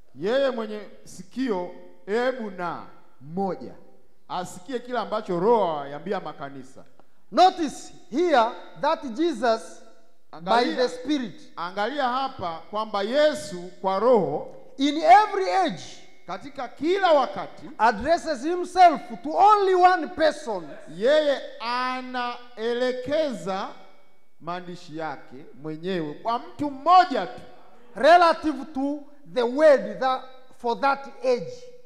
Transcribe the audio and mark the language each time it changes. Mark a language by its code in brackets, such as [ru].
[sw] Yeye mwenye sikio ebu na moja asikie kila ambacho Roho yambia makanisa. [en] Notice here that Jesus, angalia, by the Spirit. [sw] Angalia hapa kwamba Yesu kwa Roho, [en] in every age, [sw] katika kila wakati, [en] addresses himself to only one person. [sw] Yeye anaelekeza maandishi yake mwenyewe kwa mtu mmoja tu. [en] Relative to the word that for that age.